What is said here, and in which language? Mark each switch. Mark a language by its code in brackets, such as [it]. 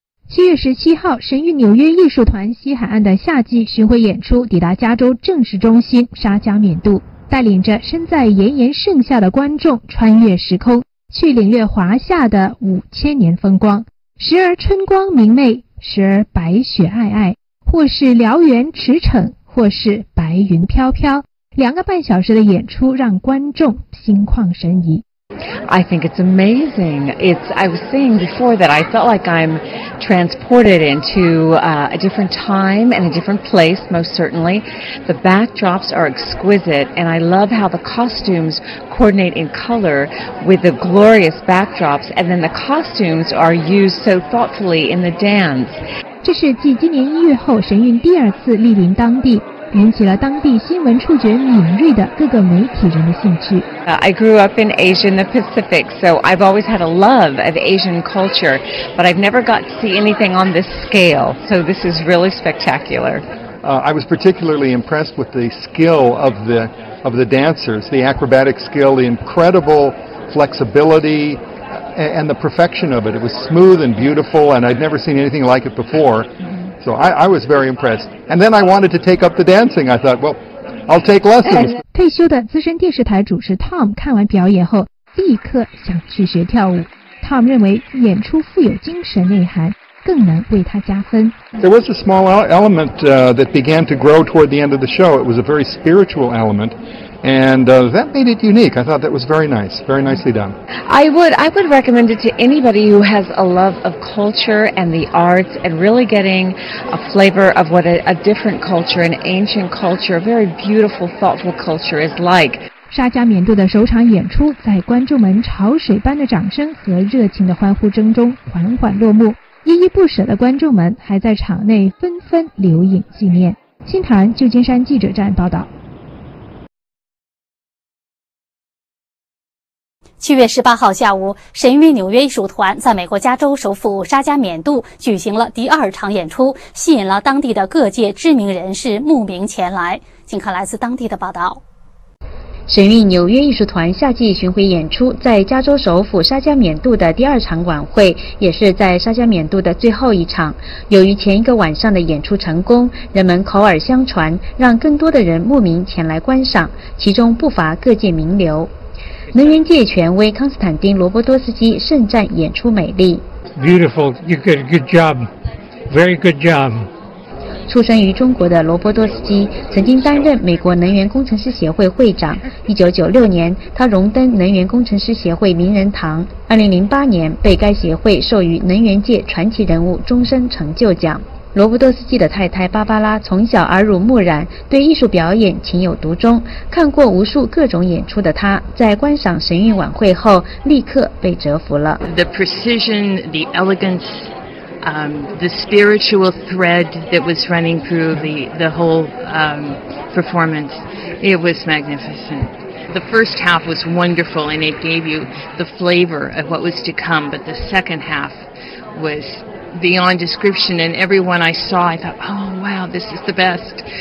[zh] 7月17号，神韵纽约艺术团西海岸的夏季巡回演出抵达加州正式中心沙加缅度，带领着身在炎炎盛夏的观众穿越时空，去领略华夏的5000年风光。时而春光明媚，时而白雪皑皑，或是辽原驰骋，或是白云飘飘。 2个半小时的演出让观众心旷神怡。 [en] I think it's amazing. I was saying before that I felt like I'm transported into a different time and a different place, most certainly. The backdrops are exquisite, and I love how the costumes coordinate in color with the glorious backdrops, and then the costumes are used so thoughtfully in the dance. [zh] 这是继今年1月后神韵第二次莅临当地，引起了当地新闻触觉敏锐的各个媒体人的兴趣。 [en] I grew up in Asia and the Pacific, so I've always had a love of Asian culture, but I've never got to see anything on this scale, so this is really spectacular. I was particularly impressed with the skill of the dancers, the acrobatic skill, the incredible flexibility, and the perfection of it. It was smooth and beautiful, and I'd never seen anything like it before. So I was very impressed. And then I wanted to take up the dancing. I thought, well, I'll take lessons. [zh] 退休的资深电视台主持 Tom 看完表演后立刻想去学跳舞。 Tom 认为演出富有精神内涵，更能为他加分。 [en] There was a small element that began to grow toward the end of the show. It was a very spiritual element. And that made it unique. I thought that was very nice, very nicely done. I would recommend it to anybody who has a love of culture and the arts and really getting a flavor of what a different culture, an ancient culture, a very beautiful, thoughtful culture is like. [zh] 沙加缅度的首场演出在观众们潮水般的掌声和热情的欢呼声中缓缓落幕，依依不舍的观众们还在场内纷纷留影纪念。新唐人旧金山记者站报道。 7月18号下午，神韵纽约艺术团在美国加州首府沙加缅度举行了第二场演出，吸引了当地的各界知名人士慕名前来。请看来自当地的报道。神韵纽约艺术团夏季巡回演出在加州首府沙加缅度的第二场晚会，也是在沙加缅度的最后一场。由于前一个晚上的演出成功，人们口耳相传，让更多的人慕名前来观赏，其中不乏各界名流。能源界权威康斯坦丁·罗伯多斯基盛赞演出美丽。 [en] Beautiful, you did a good job, very good job. [zh] 出生于中国的罗伯多斯基曾经担任美国能源工程师协会会长。 1996年，他荣登能源工程师协会名人堂。 2008年，被该协会授予能源界传奇人物终身成就奖。罗伯多斯基的太太芭芭拉从小耳濡目染，对艺术表演情有独钟，看过无数各种演出的她，在观赏神韵晚会后立刻被折服了。 [en] The precision, the elegance, the spiritual thread that was running through the whole performance, it was magnificent. The first half was wonderful and it gave you the flavor of what was to come, but the second half wasBeyond description, and everyone I saw, I thought, "Oh, wow, this is the best."